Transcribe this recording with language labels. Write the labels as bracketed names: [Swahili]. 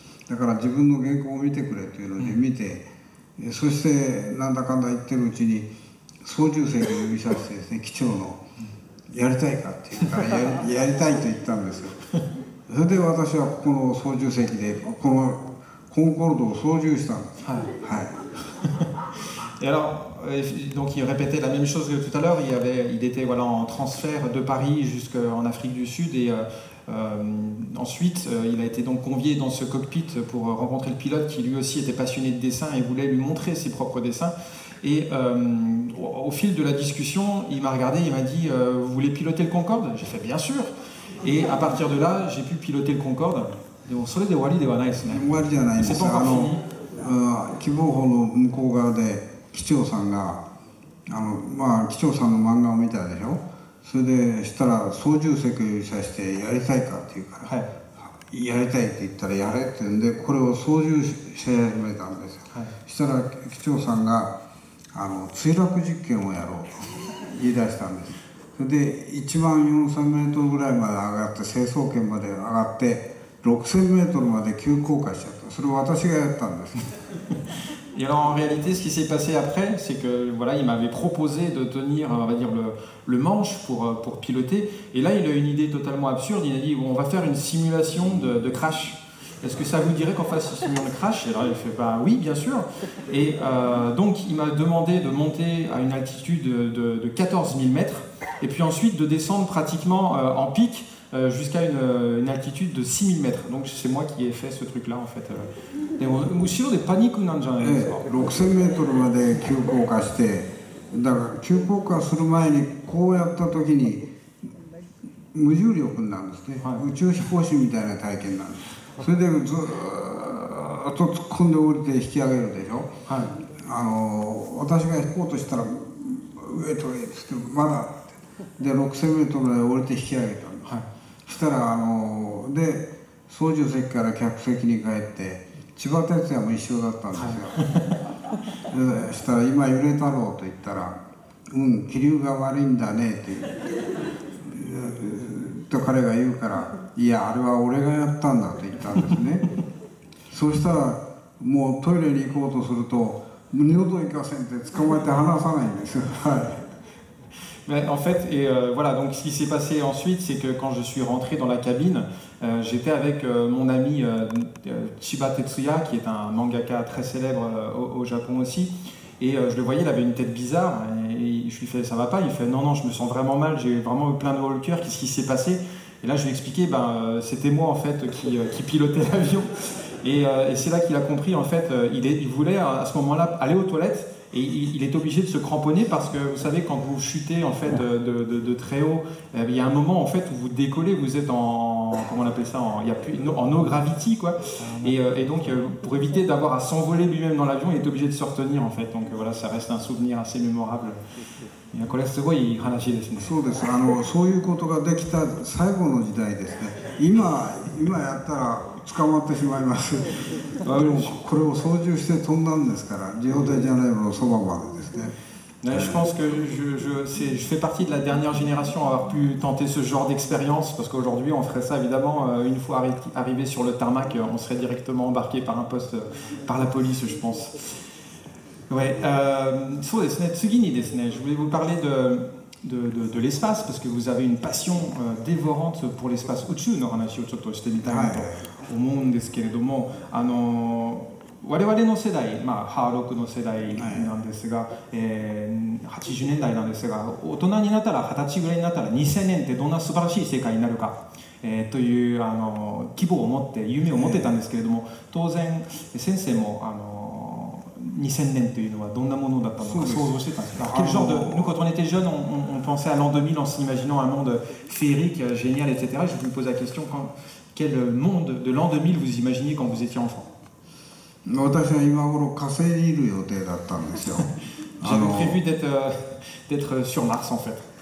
[Japanese] だから自分の原稿を見てくれというので見て、うん、そしてなんだかんだ言ってるうちに操縦席を指さしてですね機長のやりたいかっていうから やりたいと言ったんですよ。それで私はここの操縦席でこのコンコルドを操縦したんです、はいはい。 [French] Et alors, donc il répétait la même chose que tout à l'heure, il était voilà, en transfert de Paris jusqu'en Afrique du Sud, et ensuite il a été donc convié dans ce cockpit pour rencontrer le pilote qui lui aussi était passionné de dessin et voulait lui montrer ses propres dessins. Et au fil de la discussion, il m'a regardé, il m'a dit « Vous voulez piloter le Concorde ?» J'ai fait « Bien sûr !» Et à partir de là, j'ai pu piloter le Concorde. Donc, ça l'est des Wallis, des Wallis. C'est pas encore fini. Kibohono, [Japanese] 向こう側で...機長さんがあの、まあ、機長さんの漫画を見たでしょ。それでしたら操縦席を指さしてやりたいかって言うから、はい、やりたいって言ったらやれって言うんでこれを操縦し始めたんですよ、はい、したら機長さんがあの墜落実験をやろうと言い出したんです。それで1万4000メートルぐらいまで上がって成層圏まで上がって6000メートルまで急降下しちゃった。それを私がやったんです。 [French] Et alors en réalité, ce qui s'est passé après, c'est que voilà, il m'avait proposé de tenir, on va dire le manche pour piloter. Et là, il a une idée totalement absurde. Il a dit, on va faire une simulation de crash. Est-ce que ça vous dirait qu'on fasse une simulation de crash ? Et là, il fait, bah oui, bien sûr. Et donc, il m'a demandé de monter à une altitude de 14 000 mètres, et puis ensuite de descendre pratiquement en pic. Jusqu'à une altitude de 6000 mètres. Donc c'est moi qui ai fait ce truc-là en fait. Mais il y a des paniques dans le genre. [Japanese] 6000 mètres まで急降下して、だから急降下する前にこうやった時に無重力なんですね。宇宙飛行士みたいな体験なんです。それでずっと突っ込んで降りて引き上げるでしょ。はい。あの私が引こうとしたら上と上つってまだで6000メートルまで降りて引き上げた。そしたらあので操縦席から客席に帰って千葉哲也も一緒だったんですよ。そしたら今揺れたろうと言ったら「うん気流が悪いんだね」って言って彼が言うから「いやあれは俺がやったんだ」と言ったんですね。そしたらもうトイレに行こうとすると「二度と行かせん」って捕まえて離さないんですよ。はい。 [French] Mais en fait, et voilà, donc ce qui s'est passé ensuite, c'est que quand je suis rentré dans la cabine, j'étais avec mon ami Chiba Tetsuya, qui est un mangaka très célèbre au Japon aussi, et je le voyais, il avait une tête bizarre, et je lui fais, ça va pas? Il fait, non, je me sens vraiment mal, j'ai vraiment eu plein de mal au cœur, qu'est-ce qui s'est passé? Et là, je lui ai expliqué, ben, c'était moi, en fait, qui pilotais l'avion. Et c'est là qu'il a compris, en fait, il voulait, à ce moment-là, aller aux toilettes, et il est obligé de se cramponner parce que vous savez quand vous chutez en fait de très haut, il y a un moment en fait où vous décollez, vous êtes en comment on appelle ça, en [English] no gravity [French] quoi. Et donc pour éviter d'avoir à s'envoler lui-même dans l'avion, il est obligé de se retenir en fait. Donc voilà, ça reste un souvenir assez mémorable. [Japanese] いやこれすごい話ですね。そうです。あのそういうことができた最後の時代ですね。今やったら捕まってしまいます。でもこれを操縦して飛んだんですから、リオデジャネイロのそばまでですね。 [French] Je pense que je fais partie de la dernière génération à avoir pu tenter ce genre d'expérience, parce qu'aujourd'hui on ferait ça évidemment une fois arrivé sur le tarmac, on serait directement embarqué par un poste par la police, je pense. Ouais, [Japanese] そうですね、次にですね、 [French] je voulais vous parler de l'espace, parce que vous avez une passion dévorante pour l'espace. [Japanese] 宇宙の話をちょっとしてみたいなと思うんですけれども、あの我々の世代、まあ、ハーロックの世代なんですが、はい、80年代なんですが、大人になったら、20歳ぐらいになったら、2000年ってどんな素晴らしい世界になるか。というあの希望を持って、夢を持ってたんですけれども、当然、先生も、 2000 年というのはどんなものだったのか想像してたんですか。 [French] Quel genre de... Nous, quand on était jeunes, on pensait à l'an 2000 en s'imaginant un monde féerique, génial, etc. Je vous pose la question, quand... quel monde de l'an 2000 vous imaginiez quand vous étiez enfant ? J'avais prévu d'être, d'être sur Mars, en fait.